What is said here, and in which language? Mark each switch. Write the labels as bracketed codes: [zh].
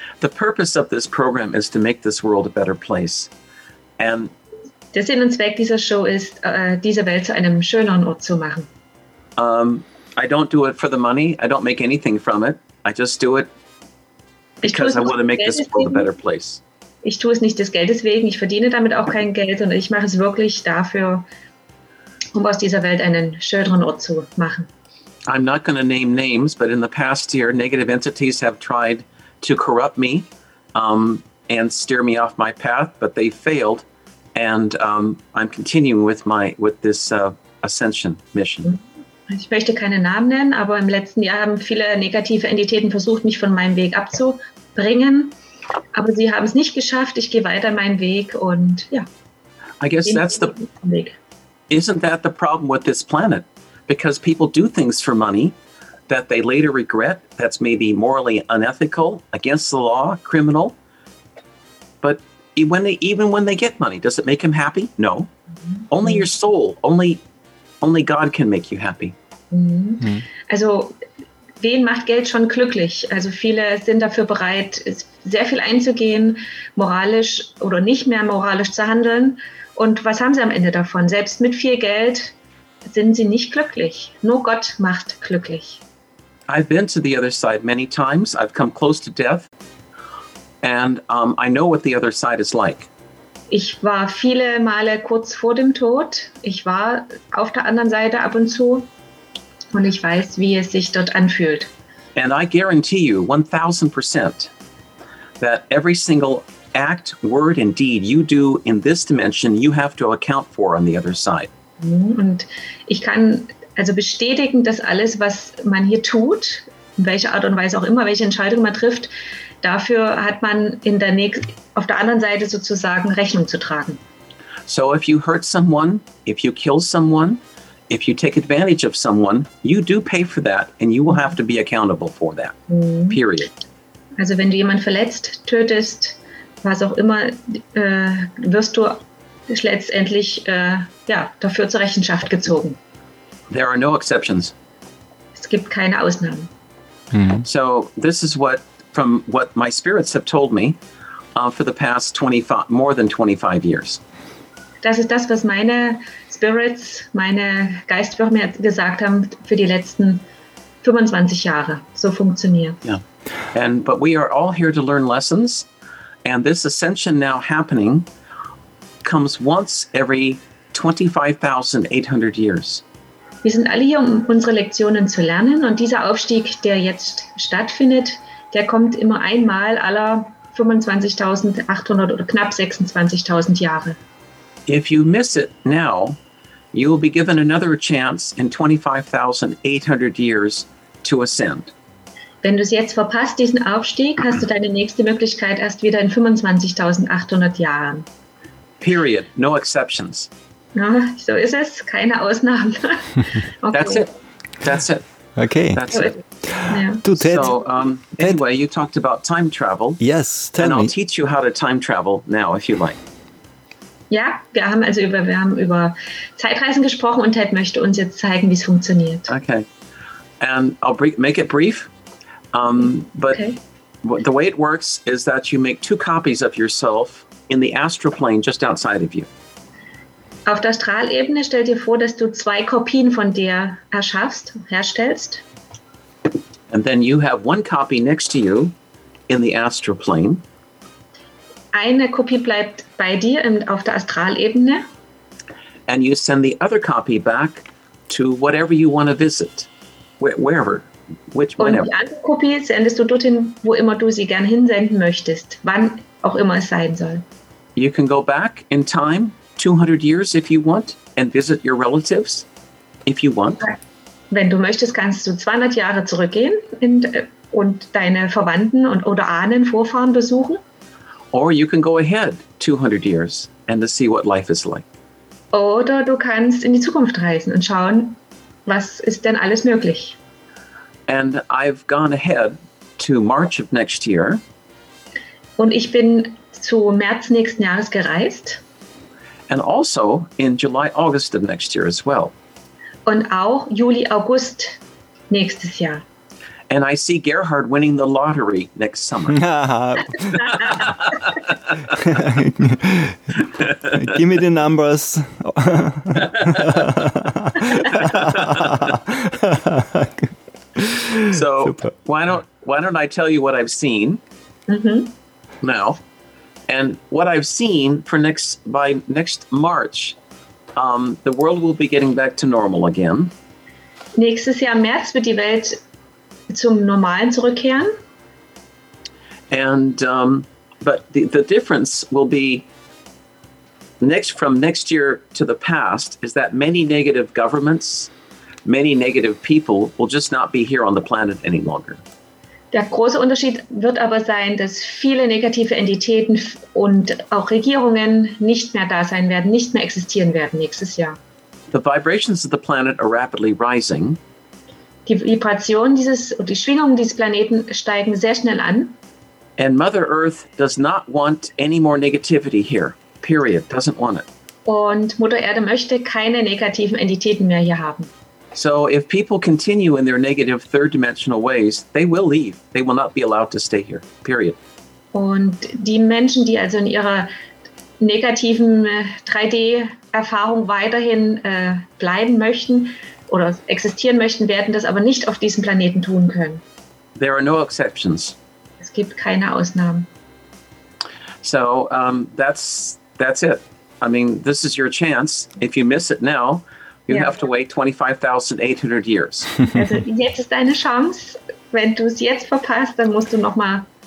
[en] The purpose of this program is to make this world a better place. And [de] der Sinn und Zweck dieser Show ist, diese Welt zu einem schöneren Ort zu machen. [en] I don't do it for the money. I don't make anything from it. I just do it because I want to make this world a better place. [de] Ich tue es nicht des Geldes wegen. Ich verdiene damit auch kein Geld, sondern ich mache es wirklich dafür, um aus dieser Welt einen schöneren Ort zu machen. [en] I'm not going to name names, but in the past year, negative entities have tried to corrupt me and steer me off my path, but they failed, and I'm continuing with this ascension mission. [de] Ich möchte keine Namen nennen, aber im letzten Jahr haben viele negative Entitäten versucht, mich von meinem Weg abzubringen, aber sie haben es nicht geschafft. Ich gehe weiter meinen Weg und ja. [en] I guess that's the Weg. Isn't that the problem with this planet? Because people do things for money that they later regret, that's maybe morally unethical, against the law, criminal. But even when they get money, does it make him happy? No. Mm-hmm. Only your soul, only God can make you happy. [de] Mm-hmm. Also, wen macht Geld schon glücklich? Also viele sind dafür bereit, sehr viel einzugehen, moralisch oder nicht mehr moralisch zu handeln. Und was haben sie am Ende davon? Selbst mit viel Geld sind sie nicht glücklich. Nur Gott macht glücklich. [en] I've been to the other side many times. I've come close to death. And I know what the other side is like. [de] Ich war viele Male kurz vor dem Tod. Ich war auf der anderen Seite ab und zu. Und ich weiß, wie es sich dort anfühlt. [en] And I guarantee you 1000% that every single act, word and deed you do in this dimension, you have to account for on the other side. [de] Und ich kann also bestätigen, dass alles, was man hier tut, in welcher Art und Weise auch immer, welche Entscheidung man trifft, dafür hat man auf der anderen Seite sozusagen Rechnung zu tragen. [en] So if you hurt someone, if you kill someone, if you take advantage of someone, you do pay for that and you will have to be accountable for that, period. [de] Also wenn du jemanden verletzt, tötest, was auch immer, wirst du letztendlich dafür zur Rechenschaft gezogen. [en] There are no exceptions. [de] Es gibt keine Ausnahmen. Mm-hmm. [en] So this is what my spirits have told me for the past 25, more than 25 years. [de] Das ist das, was meine Spirits, meine Geistführer mir gesagt haben für die letzten 25 Jahre. So funktioniert. Ja. Yeah. [en] But we are all here to learn lessons, and this ascension now happening comes once every 25,800 years. [de] Wir sind alle hier, um unsere Lektionen zu lernen, und dieser Aufstieg, der jetzt stattfindet, der kommt immer einmal aller 25.800 oder knapp 26.000 Jahre. [en] If you miss it now, you will be given another chance in 25,800 years to ascend. [de] Wenn du es jetzt verpasst, diesen Aufstieg, hast du deine nächste Möglichkeit erst wieder in 25.800 Jahren. [en] Period. No exceptions. [de] Ja, so ist es. Keine Ausnahmen. [en] Okay. That's it. Okay. That's it. Yeah. Du, Ted. So, anyway, you talked about time travel. Yes, tell and me. And I'll teach you how to time travel now, if you like. [de] Ja, wir haben also über, wir haben über Zeitreisen gesprochen und Ted möchte uns jetzt zeigen, wie es funktioniert. [en] Okay. And I'll make it brief. But okay. The way it works is that you make two copies of yourself in the astral plane just outside of you. [de] Auf der Astralebene stell dir vor, dass du zwei Kopien von dir erschaffst, herstellst. [en] And then you have one copy next to you in the astral plane. [de] Eine Kopie bleibt bei dir und auf der Astralebene. [en] And you send the other copy back to whatever you want to visit, wherever, which whenever. [de] Und die andere Kopie sendest du dorthin, wo immer du sie gern hinsenden möchtest, wann auch immer es sein soll. [en] You can go back in time 200 years if you want and visit your relatives if you want. [de] Wenn du möchtest, kannst du 200 Jahre zurückgehen und deine Verwandten und oder Ahnen, Vorfahren besuchen. [en] Or you can go ahead 200 years and to see what life is like. [de] Oder du kannst in die Zukunft reisen und schauen, was ist denn alles möglich. [en] And I've gone ahead to March of next year. [de] Und ich bin zu März nächsten Jahres gereist. [en] And also in July, August of next year as well. [de] Und auch Juli, August nächstes Jahr. [en] And I see Gerhard winning the lottery next summer. Give me the numbers. So super. why don't I tell you what I've seen now? And what I've seen for next March, the world will be getting back to normal again. [de] Nächstes Jahr März wird die Welt zum Normalen zurückkehren. [en] And but the difference will be from next year to the past is that many negative governments, many negative people will just not be here on the planet any longer. [de] Der große Unterschied wird aber sein, dass viele negative Entitäten und auch Regierungen nicht mehr da sein werden, nicht mehr existieren werden nächstes Jahr. [en] The vibrations of the planet are rapidly rising. [de] Die Vibrationen dieses und die Schwingungen dieses Planeten steigen sehr schnell an. [en] And Mother Earth does not want any more negativity here. Period. Doesn't want it. [de] Und Mutter Erde möchte keine negativen Entitäten mehr hier haben. [en] So if people continue in their negative third dimensional ways, they will leave. They will not be allowed to stay here. Period. [de] Und die Menschen, die also in ihrer negativen 3D-Erfahrung weiterhin bleiben möchten oder existieren möchten, werden das aber nicht auf diesem Planeten tun können. [en] There are no exceptions. [de] Es gibt keine Ausnahmen. [en] So that's it. I mean, this is your chance. If you miss it now, you have to wait 25,800 years. [de] Also jetzt ist deine Chance. Wenn du es jetzt verpasst, dann musst du nochmal.